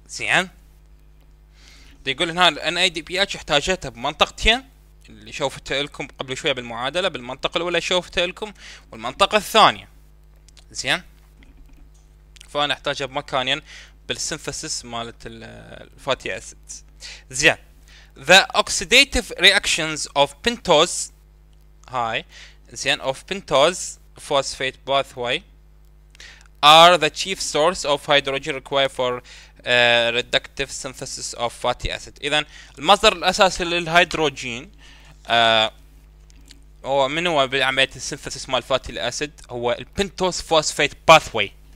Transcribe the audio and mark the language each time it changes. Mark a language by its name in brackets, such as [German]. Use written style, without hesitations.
[Arabic] زين يقول هنا ان اي دي بي اتش احتاجتها بمنطقتين اللي شوفته لكم قبل شويه بالمعادله، بالمنطقه الاولى شوفته لكم والمنطقه الثانيه. زين فانا احتاجها بمكانين بالسينثيسيس مالت الفاتي اسيد. [English] زين the oxidative reactions of pentose [Arabic] هاي زين [English] of pentose phosphate pathway are the chief source of hydrogen required for reductive synthesis of fatty acid. [Arabic] اذا المصدر الاساسي للهيدروجين هو من هو بعمليه السينثيسيس مال فاتي الاسيد هو البنتوث فوسفيت pathway.